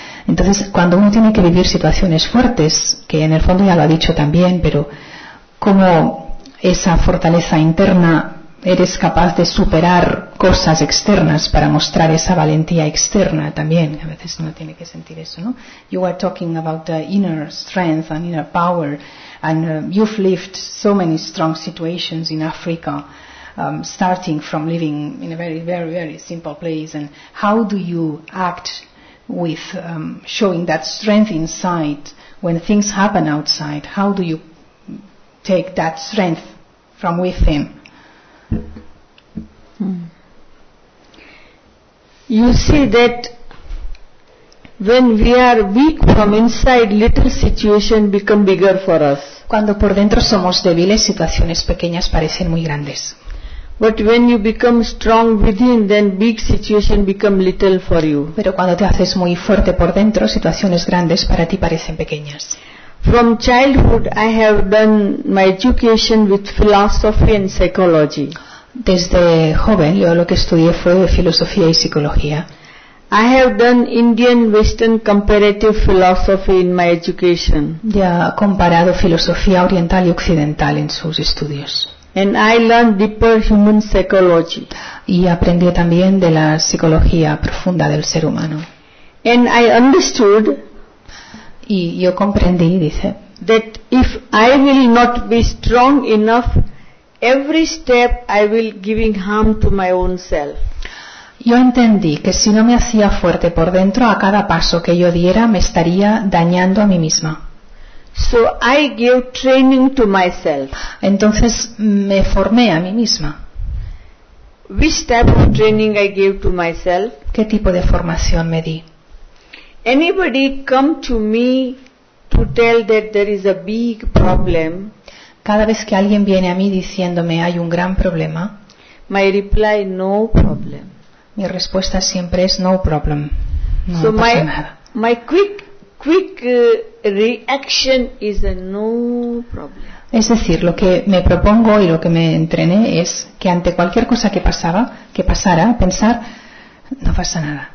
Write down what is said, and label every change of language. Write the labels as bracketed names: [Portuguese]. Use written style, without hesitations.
[Spanish] Entonces, cuando uno tiene que vivir situaciones fuertes, que en el fondo ya lo ha dicho también, pero cómo esa fortaleza interna eres capaz de superar cosas externas para mostrar esa valentía externa también. A veces uno tiene que sentir eso, ¿no? [English] You are talking about the inner strength and inner power, and you've lived so many strong situations in Africa, starting from living in a very, very, very simple place. And how do you act with showing that strength inside when things happen outside? How do you take that strength from within? You see that when we are weak from inside, little situation become bigger for us. [Spanish] Cuando por dentro somos débiles, situaciones pequeñas parecen muy grandes. [English] But when you become strong within, then big situation become little for you. [Spanish] Pero cuando te haces muy fuerte por dentro, situaciones grandes para ti parecen pequeñas. [English] From childhood, I have done my education with philosophy and psychology. [Spanish] Desde joven, yo lo que estudié fue filosofía y psicología. [English] I have done Indian-Western comparative philosophy in my education. [Spanish] Ya comparado filosofía oriental y occidental en sus estudios. [English] And I learned deeper human psychology. [Spanish] Y aprendí también de la psicología profunda del ser humano. [English] And I understood. [Spanish] Y yo comprendí, dice, [English] that if I will not be strong enough, every step I will giving harm to my own self. [Spanish] Yo entendí que si no me hacía fuerte por dentro, a cada paso que yo diera me estaría dañando a mí misma. [English] So I gave training to myself. [Spanish] Entonces me formé a mí misma. [English] Which type of training I gave to myself? [Spanish] ¿Qué tipo de formación me di? [English] Anybody come to me to tell that there is a big problem? [Spanish] Cada vez que alguien viene a mí diciéndome hay un gran problema, [English] my reply, no problem. [Spanish] Mi respuesta siempre es [English] no problem. [Spanish] No [English] so [Spanish] pasa [English] my, [Spanish] nada. [English] My quick reaction is a no problem. [Spanish] Es decir, lo que me propongo y lo que me entrené es que ante cualquier cosa que pasara, pensar no pasa nada.